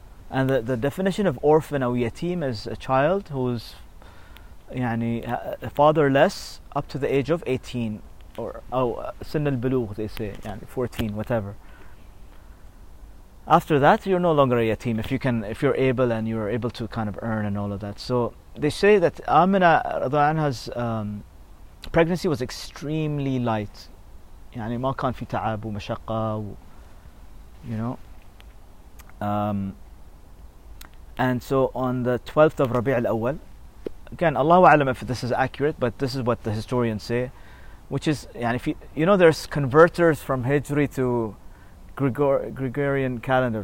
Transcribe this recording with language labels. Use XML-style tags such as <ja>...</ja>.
<en>And the definition of orphan or yatim is a child who's</en> <ar>يعني</ar> <en>fatherless up to the age of 18 or</en> <ar>سن البلوغ,</ar> <en>they say, يعني 14, whatever. After that, you're no longer a yatim if you're able and you're able to kind of earn and all of that. So they say that Amina</en> <ar>رضي الله عنها's</ar> <en>pregnancy was extremely light.</en> <ar>يعني ما كان في تعب ومشقة,</ar> <en>you know. And so on the 12th of Rabi' al-Awwal, again, Allahu a'lam if this is accurate, but this is what the historians say, which is, yani, if you know, there's converters from Hijri to Gregorian calendar.</en>